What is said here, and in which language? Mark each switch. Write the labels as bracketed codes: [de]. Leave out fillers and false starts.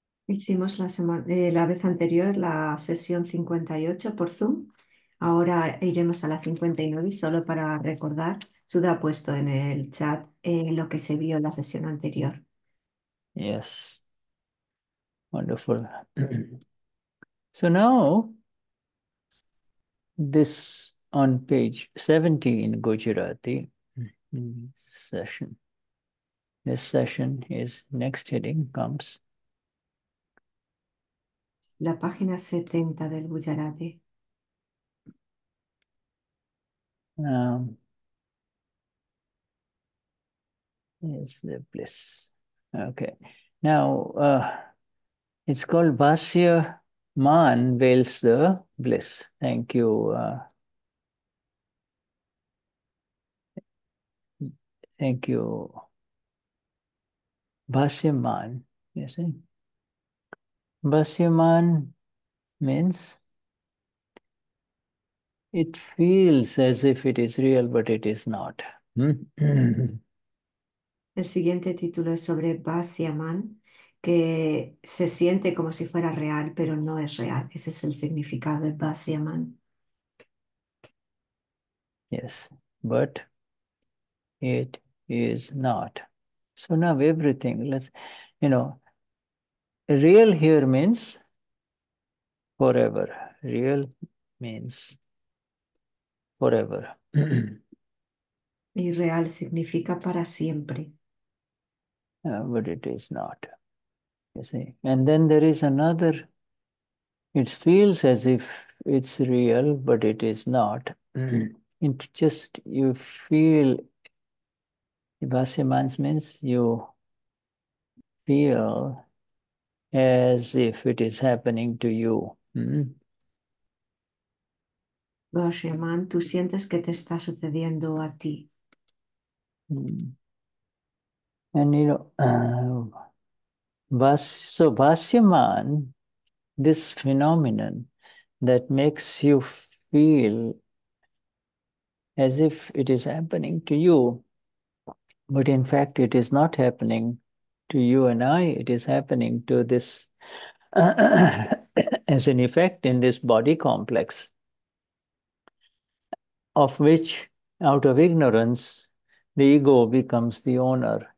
[es] Hicimos la semana la vez anterior la sesión 58 por Zoom. Ahora iremos a la 59 y solo para recordar, Sudha ha puesto en el chat lo que se vio en la sesión anterior. [en] Yes, wonderful. So now, this on page 70 in Gujarati session. This session is next heading comes. [es] La página 70 del Gujarati. [en] Yes, the bliss. Okay, now it's called Bhasyamaan veils the bliss. Thank you. Thank you. Bhasyamaan, you see? Bhasyamaan means it feels as if it is real, but it is not. [es] El siguiente título es sobre Bhasyamaan, que se siente como si fuera real, pero no es real. Ese es el significado de Bhasyamaan. [en] Yes, but it is not. So now everything, real here means forever. Real means forever. [es] Y real significa para siempre. [en] But it is not, you see. And then there is another, it feels as if it's real, but it is not. It just, you feel, Vasimans means you feel as if it is happening to you. [es] Bhasyamaan, tú sientes que te está sucediendo a ti. [en] And Vasimans, this phenomenon that makes you feel as if it is happening to you, but in fact it is not happening to you and I, it is happening to this as an effect in this body complex, of which, out of ignorance, the ego becomes the owner.